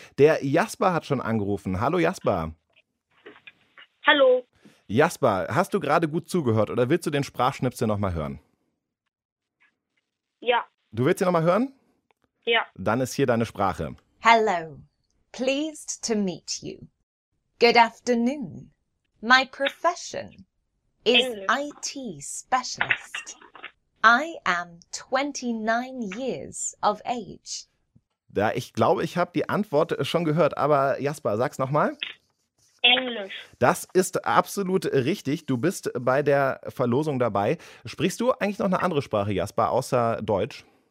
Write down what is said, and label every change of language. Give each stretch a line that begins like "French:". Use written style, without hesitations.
German: Der Jasper hat schon angerufen. Hallo Jasper. Hallo. Jasper, hast du gerade gut zugehört oder willst du den Sprachschnipsel nochmal hören? Ja. Du willst ihn nochmal hören? Ja. Dann ist hier deine Sprache.
English: Hello. Pleased to meet you. Good afternoon. My profession is IT specialist. I am 29 years of age.
German: Ja, ich glaube, ich habe die Antwort schon gehört, aber Jasper, sag's nochmal. Englisch. Das ist absolut richtig. Du bist bei der Verlosung dabei. Sprichst du eigentlich noch eine andere Sprache, Jasper, außer Deutsch?